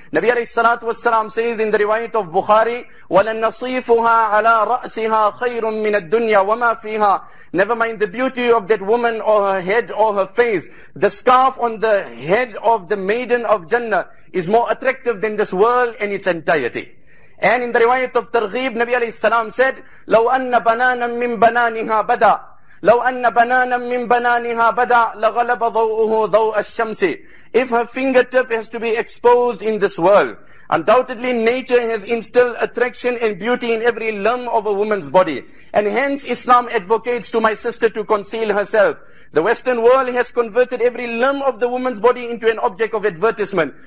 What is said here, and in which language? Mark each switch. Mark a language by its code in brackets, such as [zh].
[en] Nabi alayhi salatu wassalam says in the riwayat of Bukhari, [ar] وَلَنَّصِيفُهَا عَلَىٰ رَأْسِهَا خَيْرٌ مِّنَ الدُّنْيَا وَمَا فِيهَا. [en] Never mind the beauty of that woman or her head or her face. The scarf on the head of the maiden of Jannah is more attractive than this world in its entirety. And in the riwayat of Targhib, Nabi alayhi salam said, [ar] لَوْ أَنَّ بَنَانًا مِّن بَنَانِهَا بَدَى لَوْ أَنَّ بَنَانًا مِّن بَنَانِهَا بَدَى لَغَلَبَ ضَوْءُهُ ضَوْءَ الشَّمْسِ. [en] If her fingertip has to be exposed in this world, undoubtedly nature has instilled attraction and beauty in every limb of a woman's body. And hence Islam advocates to my sister to conceal herself. The Western world has converted every limb of the woman's body into an object of advertisement.